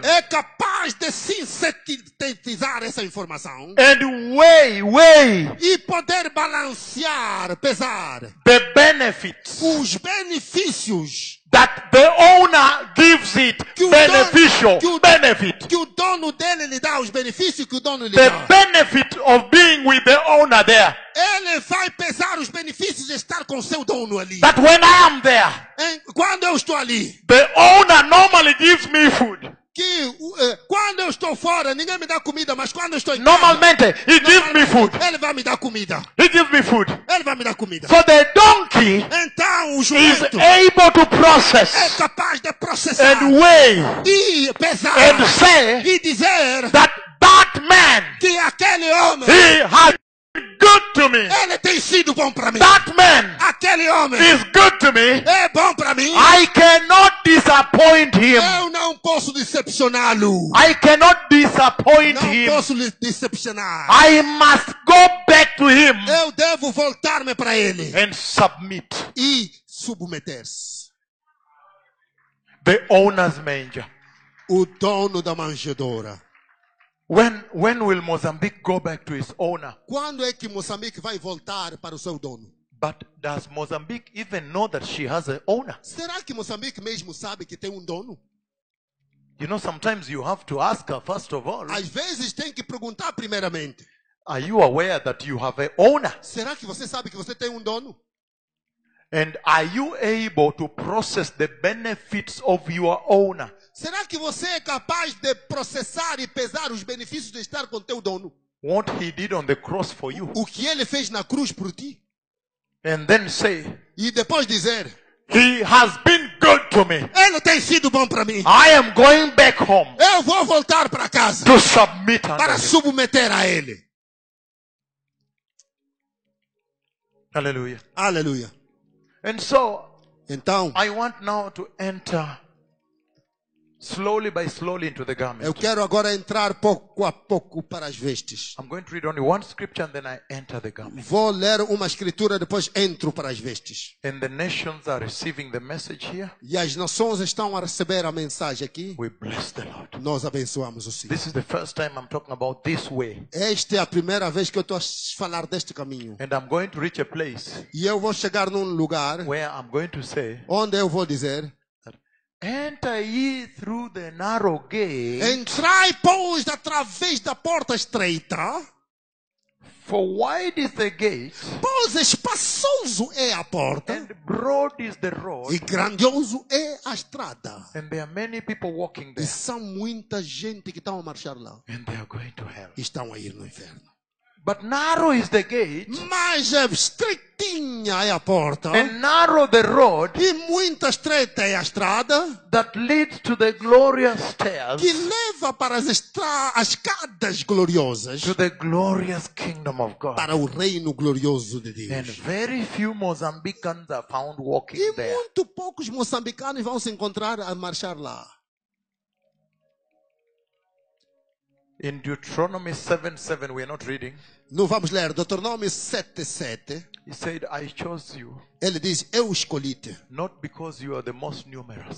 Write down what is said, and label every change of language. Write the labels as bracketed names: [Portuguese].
[Portuguese] é capaz de sintetizar essa informação, [English] and weigh, [Portuguese] e poder balancear, pesar, [English] the benefits, [Portuguese] os benefícios, [English] that the owner gives it, beneficial, benefit, [Portuguese] que o dono dele lhe dá os benefícios que o dono lhe [English] the [Portuguese] dá, [English] the benefit of being with the owner there. [Portuguese] Ele vai pesar os benefícios de estar com seu dono ali. [English] That when I am there, [Portuguese] em, quando eu estou ali, [English] the owner normally gives me food. [Portuguese] Que quando eu estou fora, ninguém me dá comida, mas quando eu estou em casa, [English] normalmente, he gives me food. [Portuguese] Ele vai me dar comida. [English] He gives me food. [Portuguese] Ele vai me dar comida. [English] So the donkey, [Portuguese] então, o jumento, [English] is able to process, [Portuguese] é capaz de processar, [English] and weigh, [Portuguese] e pesar, [English] and say, [Portuguese] e dizer, [English] that man, [Portuguese] que aquele homem, [English] he has good to me. [Portuguese] Ele tem sido bom para mim. [English] That man, [Portuguese] aquele homem, [English] is good to me. [Portuguese] É bom para mim. [English] I cannot disappoint him. [Portuguese] Eu não posso decepcioná-lo. [English] I cannot disappoint [Portuguese] não [English] him. [Portuguese] Não posso lhe decepcionar. [English] I must go back to him. [Portuguese] Eu devo voltar-me para ele. [English] And submit. [Portuguese] E submeter-se. [English] The owner's manger. [Portuguese] O dono da manjedoura. [English] When will Mozambique go back to its owner? [Portuguese] Quando é que Moçambique vai voltar para o seu dono? [English] But does Mozambique even know that she has an owner? [Portuguese] Será que Moçambique mesmo sabe que tem um dono? [English] You know, sometimes you have to ask her first of all. [Portuguese] Às vezes tem que perguntar primeiramente. [English] Are you aware that you have an owner? [Portuguese] Será que você sabe que você tem um dono? [English] And are you able to process the benefits of your owner? [Portuguese] Será que você é capaz de processar e pesar os benefícios de estar com teu dono? [English] What he did on the cross for you. [Portuguese] O que ele fez na cruz por ti? [English] And then say, [Portuguese] e depois dizer, [English] he has been good to me. [Portuguese] Ele tem sido bom para mim. [English] I am going back home. [Portuguese] Eu vou voltar para casa. [English] To submit [Portuguese] para submeter a ele. Aleluia. Aleluia. [English] And so, [Portuguese] então, [English] I want now to enter slowly by slowly into the garment. [Portuguese] Eu quero agora entrar pouco a pouco para as vestes. [English] I'm going to read only one scripture and then I enter the garment. [Portuguese] Vou ler uma escritura depois entro para as vestes. [English] And the nations are receiving the message here. [Portuguese] E as nações estão a receber a mensagem aqui. [English] We bless the Lord. [Portuguese] Nós abençoamos o Senhor. [English] This is the first time I'm talking about this way. [Portuguese] Esta é a primeira vez que eu estou a falar deste caminho. [English] And I'm going to reach a place. [Portuguese] E eu vou chegar num lugar [English] where I'm going to say, [Portuguese] onde eu vou dizer, [English] enter ye through the narrow gate. [Portuguese] Entrai, pois, através da porta estreita. [English] For wide is the gate. [Portuguese] Pois, espaçoso é a porta. [English] And broad is the road. [Portuguese] E grandioso é a estrada. [English] And there are many people walking there. [Portuguese] E são muita gente que estão a marchar lá. [English] And they are going to hell. [Portuguese] E estão a ir no inferno. [English] But narrow is the gate. [Portuguese] Mas estreitinha é a porta. [English] And narrow the road. [Portuguese] E muito estreita é a estrada. [English] That leads to the glorious stairs. [Portuguese] Que leva para as escadas gloriosas. [English] To the glorious kingdom of God. [Portuguese] Para o reino glorioso de Deus. [English] And very few Mozambicans are found walking there. [Portuguese] E muito poucos moçambicanos vão se encontrar a marchar lá. [English] In Deuteronomy 7:7, we are not reading. [Portuguese] Não vamos ler. Deuteronomy 7:7. [English] He said, "I chose you." [Portuguese] Ele diz, "Eu escolhi-te." [English] Not because you are the most numerous.